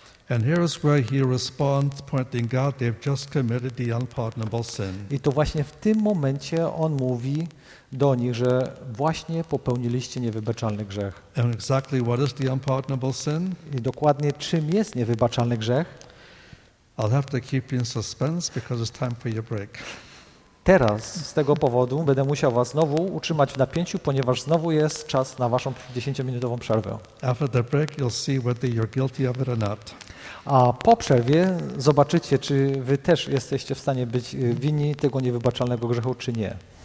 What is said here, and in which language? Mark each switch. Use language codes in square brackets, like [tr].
[en] And here is where he responds, pointing God, they've just committed the unpardonable sin. [pl] I to właśnie w tym momencie on mówi do nich, że właśnie popełniliście niewybaczalny grzech. [en] And exactly what is the unpardonable sin? [pl] I dokładnie czym jest niewybaczalny grzech? [en] I'll have to keep you in suspense because it's time for your break. [pl] Teraz z tego powodu będę musiał was znowu utrzymać w napięciu, ponieważ znowu jest czas na waszą 10-minutową przerwę. [en] After the break, you'll see whether you're guilty of it or not. [pl] A po przerwie zobaczycie, czy wy też jesteście w stanie być winni tego niewybaczalnego grzechu, czy nie.